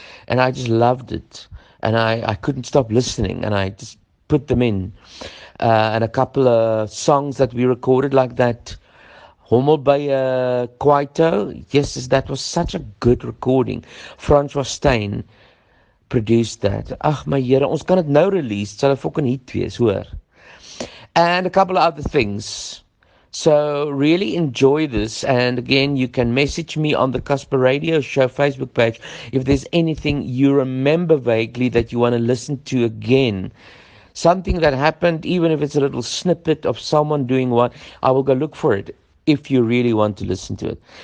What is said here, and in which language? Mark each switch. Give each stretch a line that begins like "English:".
English: And I just loved it. And I couldn't stop listening. And I just put them in. And a couple of songs that we recorded, like that Hommel by Kwaito. Yes, that was such a good recording. Francois Steyn produced that.
Afrikaans: Ach, my Heere, ons kan het nou release. Het sal een fucking hit wees, hoor.
English: And a couple of other things. So really enjoy this, and again, you can message me on the Casper Radio Show Facebook page if there's anything you remember vaguely that you want to listen to again. Something that happened, even if it's a little snippet of someone doing what, I will go look for it if you really want to listen to it.